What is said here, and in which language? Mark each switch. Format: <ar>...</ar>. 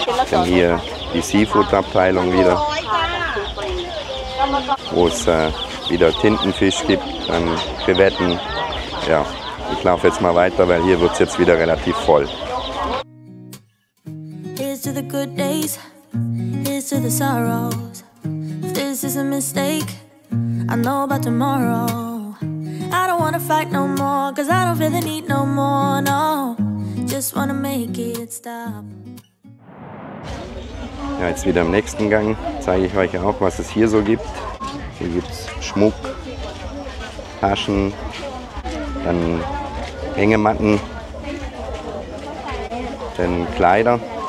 <de>Denn hier die Seafood-Abteilung wieder, wo es wieder Tintenfisch gibt, Krevetten. Ja, ich laufe jetzt mal weiter, weil hier wird es jetzt wieder relativ voll.</de> <en>Here's to the good days, here's to the sorrows. If this is a mistake, I know about tomorrow. I don't wanna fight no more, cause I don't feel the need no more, no. Just wanna make it stop.</en> <de>Ja, jetzt wieder im nächsten Gang zeige ich euch auch, was es hier so gibt. Hier gibt es Schmuck, Taschen, dann Hängematten, dann Kleider.</de>